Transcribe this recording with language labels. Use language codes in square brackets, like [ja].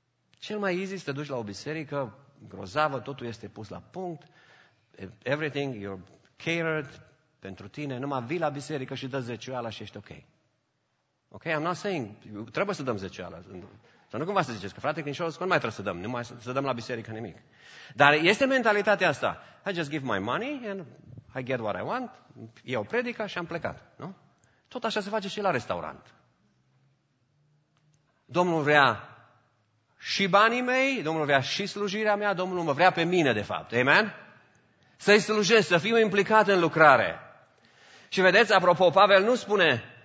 [ro] Cel mai easy să te duci la o biserică grozavă, totul este pus la punct, [en] everything you're catered [ro] pentru tine, numai vii la biserică și dă zeciuiala și ești ok. [en] Ok, I'm not saying, [ro] trebuie să dăm zeceala. Sau nu cumva să ziceți că frate Crincioz, nu mai trebuie să dăm, nu mai să dăm la biserică nimic. Dar este mentalitatea asta. [en] I just give my money and I get what I want. [ro] Eu predica și am plecat, nu? Tot așa se face și la restaurant. Domnul vrea și banii mei, Domnul vrea și slujirea mea, Domnul mă vrea pe mine, de fapt. Amen? Să-i slujesc, să fiu implicat în lucrare. Și vedeți, apropo, Pavel nu spune...